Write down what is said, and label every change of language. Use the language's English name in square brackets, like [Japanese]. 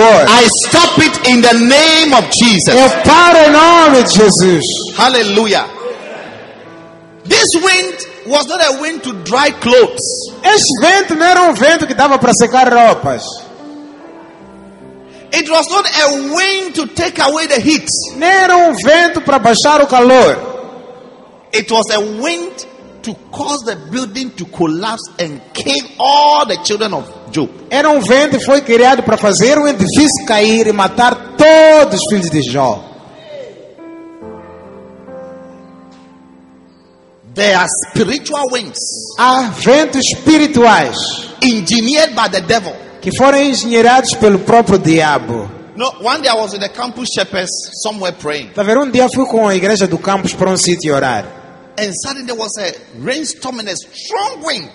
[English] I stop it in the name of Jesus. [Portuguese] Eu paro em nome de Jesus. [English] Hallelujah. This wind was not a wind to dry clothes. [Portuguese] Esse vento não era vento que dava para secar roupas. [English] It was not a wind to take away the heat. [Portuguese] Não era vento para baixar o calor. [English] It was a wind to cause the building to collapse and kill all the children of Job. [Portuguese] Era vento foi criado para fazer o edifício cair e matar todos os filhos de Jó. [English] There are spiritual winds. [Portuguese] Há ventos espirituais. [English] Engineered by the devil. [Portuguese] Que foram engenheirados pelo próprio diabo. [English] No, one day I was with the campus shepherds somewhere praying. [Portuguese] Tá vendo, dia fui com a igreja do campus para sítio orar. [English] And suddenly there was a rainstorm and a strong wind.